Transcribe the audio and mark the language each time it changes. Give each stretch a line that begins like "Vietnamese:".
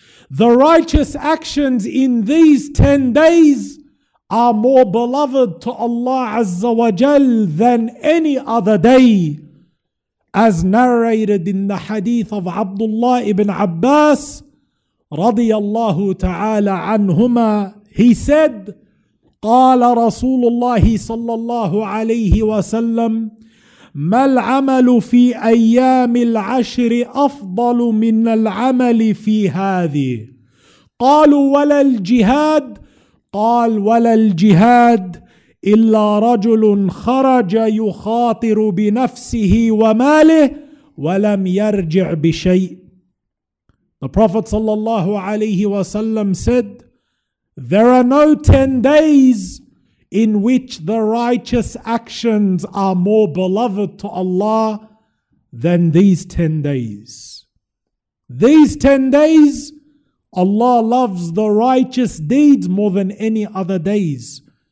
English: The righteous actions in these 10 days are more beloved to Allah Azza wa Jal than any other day, as narrated in the hadith of Abdullah ibn Abbas radiyallahu ta'ala anhuma. He said,
Arabic: قال رسول الله صلى الله عليه وسلم ما العمل في أيام العشر أفضل من العمل في هذه؟ قالوا ولا الجهاد؟ قال ولا الجهاد إلا رجل خرج يخاطر بنفسه وماله ولم يرجع بشيء.
English: The Prophet صلى الله عليه وسلم said, there are no 10 days in which the righteous actions are more beloved to Allah than these 10 days. These 10 days, Allah loves the righteous deeds more than any other days.